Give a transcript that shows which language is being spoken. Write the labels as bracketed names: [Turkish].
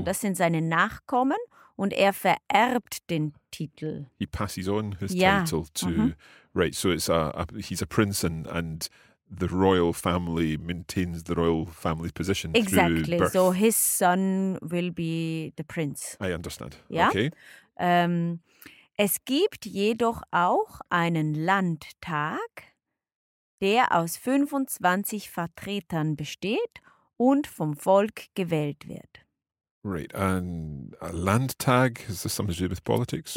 [German] das sind seine Nachkommen und er vererbt den Titel. [English] He passes on his title to... Mm-hmm. Right, so it's he's a prince and the royal family maintains the royal family position exactly. through birth. So his son will be the prince. I understand. Yeah. Okay. [German] Es gibt jedoch auch einen Landtag, der aus 25 Vertretern besteht und vom Volk gewählt wird. [English] Right, and a Landtag, is this something to do with politics?